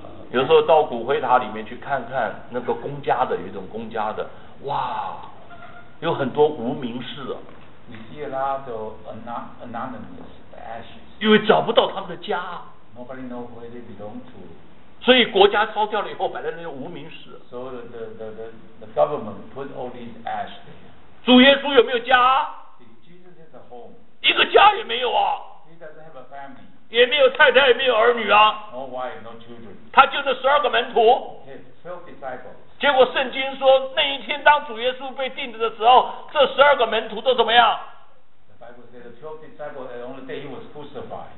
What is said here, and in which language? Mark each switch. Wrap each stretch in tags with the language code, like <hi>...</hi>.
<zh>有时候到骨灰塔里面去看看那个公家的，有一种公家的，哇，有很多无名氏。</zh> <en>You see a lot of anonymous ashes.</en> <zh>因为找不到他们的家。</zh> <en>Nobody knows where they belong to.</en> <zh>所以国家烧掉了以后，摆在那些无名氏。</zh> <en>So the government put all these ashes there.</en> <zh>主耶稣有没有家？</zh> <en>Jesus has a home.</en> <zh>一个家也没有啊。</zh> <en>He doesn't have a family.</en> <zh>也没有太太，也没有儿女啊。</zh> <en>No wife, no children.</en> <zh>他就是十二个门徒。结果圣经说，那一天当主耶稣被钉着的时候，这十二个门徒都怎么样？</zh> <en>The Bible says the 12 disciples, on the day he was crucified.</en>